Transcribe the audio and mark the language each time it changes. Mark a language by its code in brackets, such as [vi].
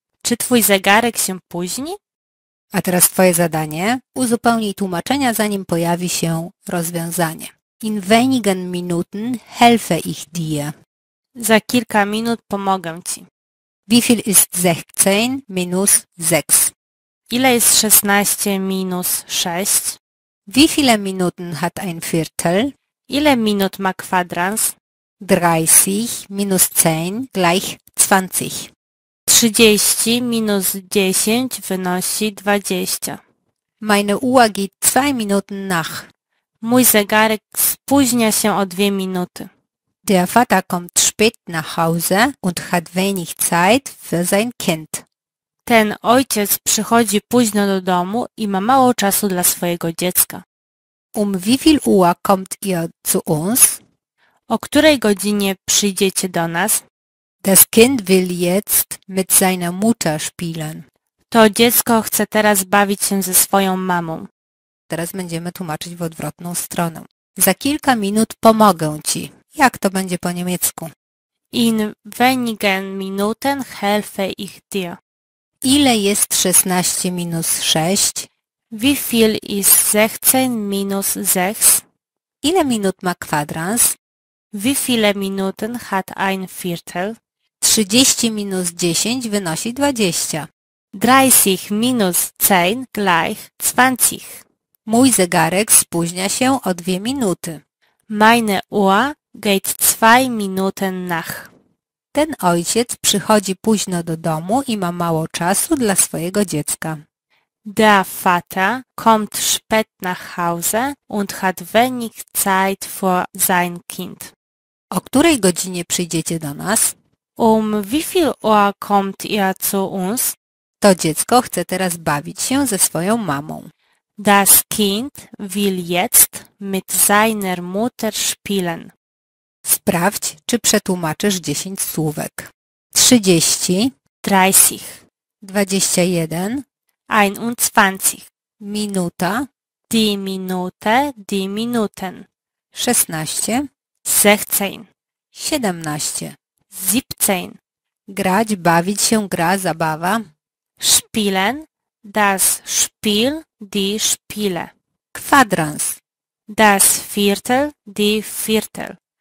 [pl] Czy twój zegarek się późni? A teraz twoje zadanie. Uzupełnij tłumaczenia, zanim pojawi się rozwiązanie. [de] In wenigen Minuten helfe ich dir. [pl] Za kilka minut pomogę ci. [de] Wie viel ist 16 minus 6? [pl] Ile jest 16 minus 6? [de] Wie viele Minuten hat ein Viertel? [pl] Ile minut ma kwadrans? [de] 30 minus 10 gleich 20. [pl] 30 minus 10 wynosi 20. [de] Meine Uhr geht 2 Minuten nach. [pl] Mój zegarek spóźnia się o 2 minuty. [de] Der Vater kommt spät nach Hause und hat wenig Zeit für sein Kind. [pl] Ten ojciec przychodzi późno do domu i ma mało czasu dla swojego dziecka. [de] Um wie viel Uhr kommt ihr zu uns? [pl] O której godzinie przyjdziecie do nas? [de] Das Kind will jetzt mit seiner Mutter spielen. [pl] To dziecko chce teraz bawić się ze swoją mamą. Teraz będziemy tłumaczyć w odwrotną stronę. Za kilka minut pomogę ci. Jak to będzie po niemiecku? [de] In wenigen Minuten helfe ich dir. [pl] Ile jest 16 minus 6? [de] Wie viel ist 16 minus 6? [pl] Ile minut ma kwadrans? [de] Wie viele Minuten hat ein Viertel? [pl] 30 minus 10 wynosi 20. [de] 30 minus 10 gleich 20. [pl] Mój zegarek spóźnia się o 2 minuty. [de] Meine Uhr geht 2 Minuten nach. [pl] Ten ojciec przychodzi późno do domu i ma mało czasu dla swojego dziecka. [de] Der Vater kommt spät nach Hause und hat wenig Zeit für sein Kind. [pl] O której godzinie przyjdziecie do nas? [de] Um wie viel Uhr kommt ihr zu uns? [pl] To dziecko chce teraz bawić się ze swoją mamą. [de] Das Kind will jetzt mit seiner Mutter spielen. [pl] Sprawdź, czy przetłumaczysz 10 słówek. 30. 30. 21. 21. Minuta. [de] Die Minute, die Minuten. 16. 16. 17. 17. [pl] Grać, bawić się, gra, zabawa. [de] Spielen, das Spiel, die Spiele. [pl] Kwadrans. [de] Das Viertel, die Viertel.